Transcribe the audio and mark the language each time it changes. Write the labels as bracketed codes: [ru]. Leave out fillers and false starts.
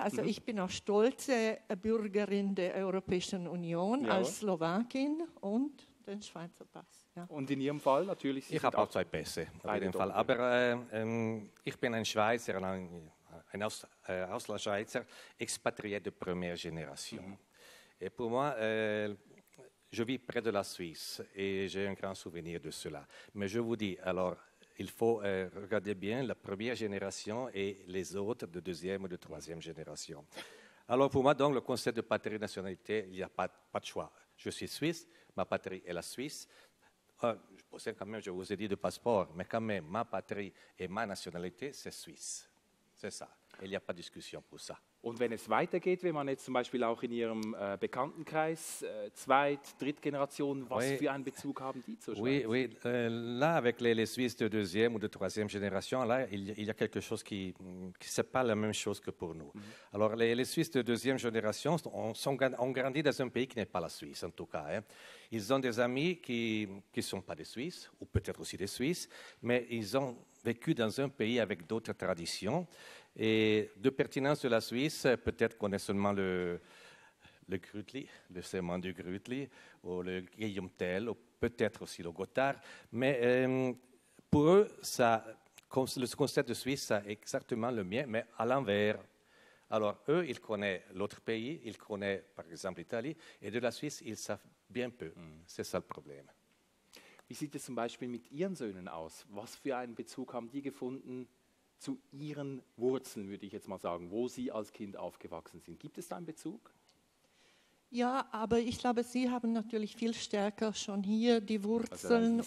[de] Also ich bin auch stolze Bürgerin der Europäischen Union, jawohl, als Slowakin und den Schweizer Pass. Ja. Und in Ihrem Fall natürlich? Ich habe auch zwei Pässe, auf jeden Fall. Aber ich bin ein Schweizer, ein Auslandschweizer, [fr] expatrié de première génération. Mhm. Et pour moi, je vis près de la Suisse et j'ai un grand souvenir de cela. Mais je vous dis, alors, il faut regarder bien la première génération et les autres de deuxième ou de troisième génération. Alors pour moi, donc, le concept de patrie nationalité, il n'y a pas de choix. Je suis Suisse, ma patrie est la Suisse. Je pensais quand même, je vous ai dit de passeport, mais quand même, ma patrie et ma nationalité, c'est Suisse. C'est ça. Il n'y a pas de discussion pour ça. [de] Und wenn es weitergeht, wenn man jetzt zum Beispiel auch in Ihrem Bekanntenkreis, Zweit-, Drittgeneration, was für einen Bezug haben die zur Schweiz? [fr] Oui, oui. Là, avec les Suisses de deuxième ou de troisième génération, là, il y a quelque chose qui n'est pas la même chose que pour nous. Mm-hmm. Alors, les Suisses de deuxième génération ont grandi dans un pays qui n'est pas la Suisse, en tout cas. Hein. Ils ont des amis qui ne sont pas des Suisses, ou peut-être aussi des Suisses, mais ils ont vécu dans un pays avec d'autres traditions. Et de pertinence de la Suisse, peut-être qu'on est seulement le Grütli, le sémant du Grütli, ou le Guillaume-Tell, ou peut-être aussi le Gotthard. Mais pour eux, ça, le concept de Suisse, c'est exactement le mien, mais à l'envers. Alors eux, ils connaissent l'autre pays, ils connaissent par exemple l'Italie, et de la Suisse, ils savent bien peu. Mm. C'est ça le problème. [de] Wie sieht es zum Beispiel mit Ihren Söhnen aus? Was für einen Bezug haben die gefunden zu ihren Wurzeln, würde ich jetzt mal sagen, wo sie als Kind aufgewachsen sind? Gibt es da einen Bezug? Ja, aber ich glaube, Sie haben natürlich viel stärker schon hier die Wurzeln.